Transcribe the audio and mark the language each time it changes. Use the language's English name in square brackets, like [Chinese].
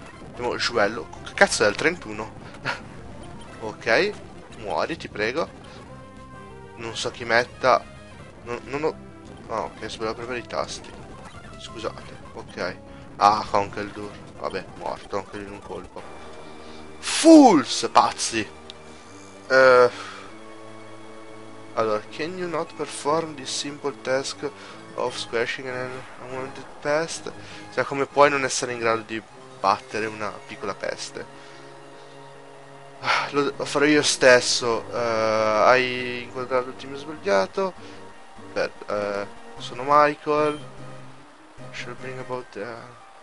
[Italian] Mettiamo Juello. Cazzo, è al 31. Ok. Muori, ti prego. Non so chi metta. Non ho. Oh, ok, sbaglio proprio i tasti. Scusate. Ok. Ah, Conkeldurr. Vabbè, morto anche lui in un colpo. [English] Fools, [Italian] pazzi! [English] Allora, can you not perform this simple task of squashing an unwanted pest? [Italian] Cioè, come puoi non essere in grado di battere una piccola peste? Lo farò io stesso. Hai inquadrato il team sbagliato. Sono Michael. [English] Shall bring about the...